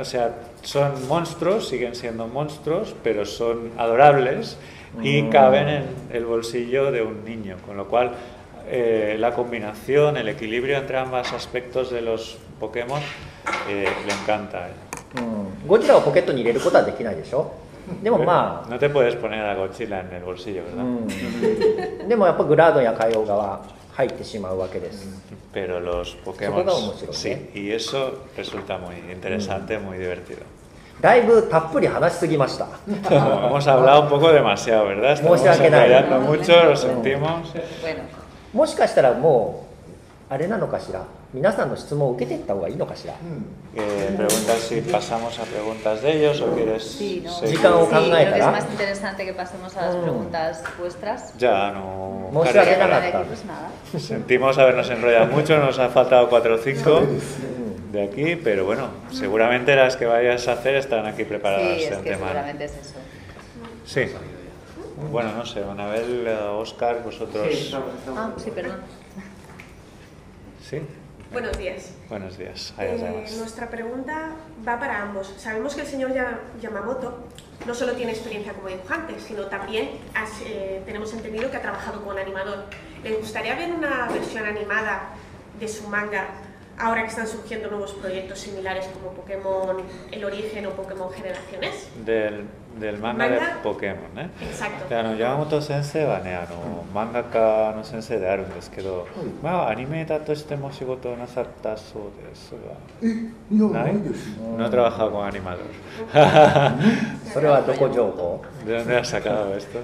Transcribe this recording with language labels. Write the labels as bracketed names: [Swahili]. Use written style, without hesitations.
[Spanish] O sea, son monstruos, siguen siendo monstruos, pero son adorables y caben en el bolsillo de un niño. Con lo cual, la combinación, el equilibrio entre ambos aspectos de los Pokémon le encanta. Godzilla o Pocket ni leer cosas de quién hay de eso. [Japanese] でもまあ、 [Spanish] no te puedes poner a Godzilla en el bolsillo, ¿verdad? [Japanese] でもやっぱグラードンや海王が入ってしまうわけです。 [Spanish] Pero los [Japanese] Pokémon, そこが面白い、ね。 [Spanish] Sí, y eso resulta muy interesante, muy divertido. [Japanese] だいぶたっぷり話しすぎました。 [Spanish] Hemos hablado un poco demasiado, ¿verdad? [Japanese] 申し訳ない。 [Spanish] mucho, lo sentimos. [Japanese] もしかしたらもうあれなのかしら。皆さんの質問を受けていった方がいいのかしら。 [Spanish] Pregunta si pasamos a preguntas de ellos o quieres sí, no. [Japanese] 時間を考えたら。 [Spanish] Sí, es más interesante que pasemos a las preguntas vuestras. Ya no. [Japanese] 申し訳なかった。 [Spanish] Sentimos habernos enrollado mucho, nos ha faltado 4 o 5 de aquí, pero bueno, seguramente las que vayas a hacer estarán aquí preparadas. Sí, es que seguramente es eso. Sí. Bueno, no sé, Anabel, Óscar, vosotros. Sí, estamos. Ah, sí, perdón. Sí. Buenos días. Buenos días. Adiós, nuestra pregunta va para ambos. Sabemos que el señor Yamamoto no solo tiene experiencia como dibujante, sino también tenemos entendido que ha trabajado como animador. ¿Le gustaría ver una versión animada de su manga ahora que están surgiendo nuevos proyectos similares como Pokémon El Origen o Pokémon Generaciones? Del manga de Pokémon, ¿eh? Exacto. [Japanese] あの、山本先生はね、あの、漫画家の先生であるんですけど、まあ、アニメーターとしても仕事をなさったそうですが。え、いや、ないです。 [Spanish] No he trabajado con animador. [Japanese] それはどこ情報? [Spanish] ¿De dónde has sacado esto?